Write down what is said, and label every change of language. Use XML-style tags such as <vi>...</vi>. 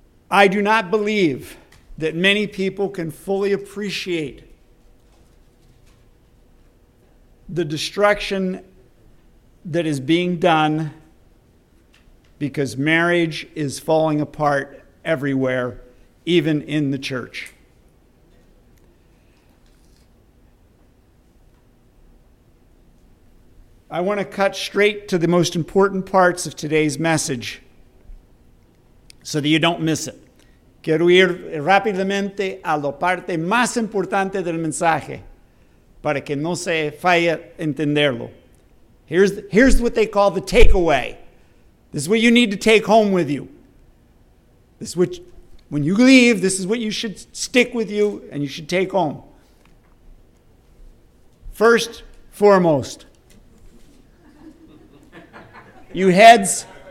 <en>I do not believe that many people can fully appreciate the destruction that is being done because marriage is falling apart everywhere, even in the church. I want to cut straight to the most important parts of today's message so that you don't miss it.</en> <es>Quiero ir rápidamente a la parte más importante del mensaje para que no se falle entenderlo.</es> <en>Here's what they call the takeaway. This is what you need to take home with you. This is what, when you leave, this is what you should stick with you and you should take home. First, foremost, you heads.</en>